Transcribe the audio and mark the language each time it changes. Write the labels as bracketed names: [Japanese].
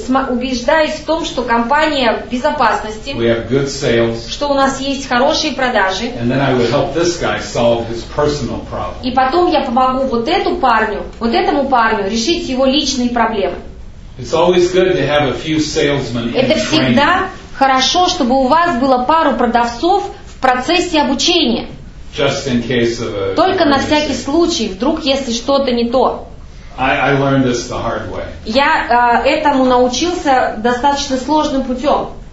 [Russian] Убеждаюсь в том, что компания в безопасности. [English] We have good sales. [Russian] Что у нас есть хорошие продажи. [English] And then I would help this guy solve his personal problem. [Russian] И потом я помогу вот этому парню решить его личные проблемы. [English] It's always good to have a few salesmen in training. [Russian] Это всегда хорошо, чтобы у вас было пару продавцов в процессе обучения. [English] Just in case of a. [Russian] Только на всякий случай, вдруг если что-то не то. [English] I learned this the hard way. [Russian] Я этому научился достаточно сложным путем.